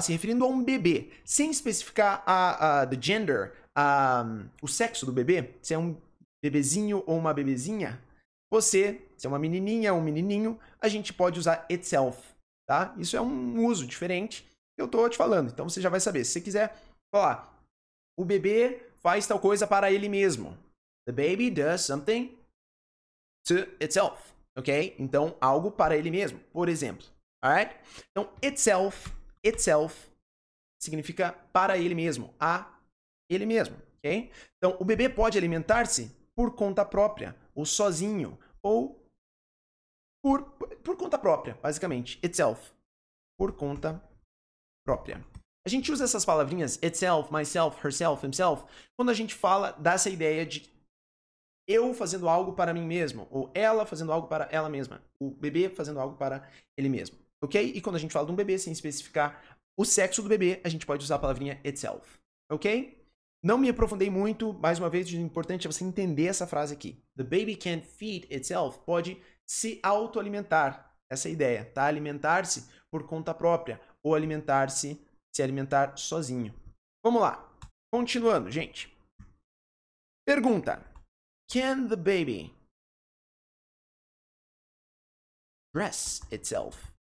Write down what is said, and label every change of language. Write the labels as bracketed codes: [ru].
[pt] Se referindo a um bebê, sem especificar the gender, o sexo do bebê, se é um bebezinho ou uma bebezinha, você, se é uma menininha ou um menininho, a gente pode usar itself, tá? Isso é um uso diferente que eu tô te falando, então você já vai saber. Se você quiser falar, o bebê faz tal coisa para ele mesmo. [en] The baby does something to itself, ok? [pt] Então, algo para ele mesmo, por exemplo. Alright? Então, itself. Itself significa para ele mesmo, a ele mesmo, ok? Então, o bebê pode alimentar-se por conta própria, ou sozinho, ou por conta própria, basicamente. Itself, por conta própria. A gente usa essas palavrinhas, itself, myself, herself, himself, quando a gente fala dessa ideia de eu fazendo algo para mim mesmo, ou ela fazendo algo para ela mesma, o bebê fazendo algo para ele mesmo, ok? E quando a gente fala de um bebê, sem especificar o sexo do bebê, a gente pode usar a palavrinha itself, ok? Não me aprofundei muito, mais uma vez, o importante é você entender essa frase aqui. [en] The baby can't feed itself, [pt] pode se autoalimentar, essa ideia, tá? Alimentar-se por conta própria, ou alimentar-se, se alimentar sozinho. Vamos lá, continuando, gente. Pergunta. [en] Can the baby dress itself?